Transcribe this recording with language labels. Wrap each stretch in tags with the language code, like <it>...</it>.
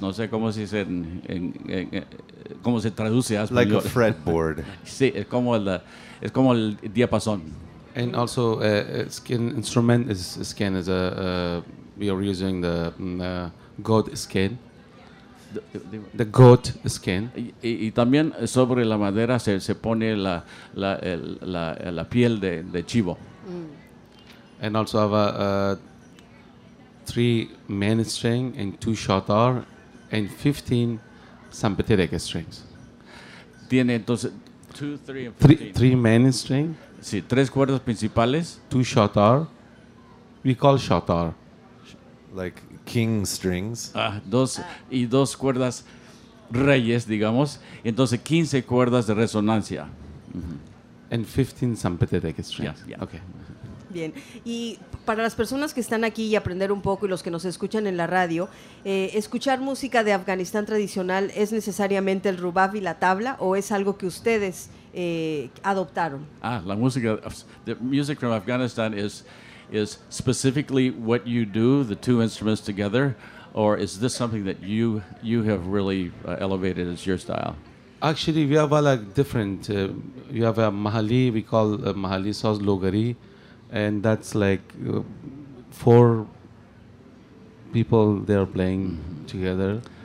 <es>No sé cómo se dice en cómo se traduce a español.</es> <en>Like a fretboard.</en> <es>Sí, es como el diapasón.</es> <en>And also skin instrument is skin is a we are using the goat skin. The goat skin.</en> <es>Y también sobre la madera se pone la piel de chivo.</es> <en>And also have three main string and two shatar and 15 sympathetic strings.</en> <es>Tiene entonces</es> <en>two, three, and 15. Three main string.</en> <es>Sí, tres cuerdas principales.</es> <en>Two shatar. We call shatar. Like king strings.</en> <es>Ah, dos y dos cuerdas reyes, digamos. Entonces, 15 cuerdas de resonancia.</es> <en>Mm-hmm. And 15 sympathetic strings. Yeah, yeah. Okay.</en> <es>Bien. Y para las personas que están aquí y aprender un poco y los que nos escuchan en la radio, ¿escuchar música de Afganistán tradicional es necesariamente el rubab y la tabla o es algo que ustedes adoptaron? Ah, la música,</es> <en>the music from Afghanistan is specifically what you do, the two instruments together, or is this something that you have really elevated as your style? Actually, we have a like different, we have a mahali, we call mahali saz logari, and that's like four people there playing together.</en>